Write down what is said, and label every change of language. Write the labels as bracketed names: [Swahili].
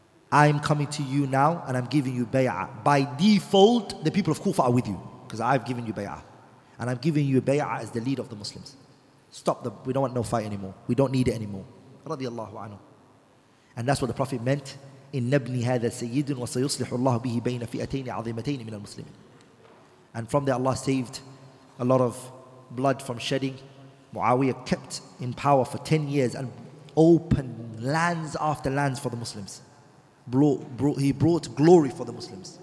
[English] I'm coming to you now and I'm giving you bay'ah. By default, the people of Kufa are with you because I've given you bay'ah. And I'm giving you bay'ah as the leader of the Muslims. Stop them. We don't want no fight anymore. We don't need it anymore. Radiallahu anhu. And that's what the Prophet meant. [Arabic] إن نبني هذا سيد وسيصلح الله به بين فئتين عظيمتين من المسلمين. [English] And from there Allah saved a lot of blood from shedding. Muawiyah kept in power for 10 years and opened lands after lands for the Muslims. He brought glory for the Muslims.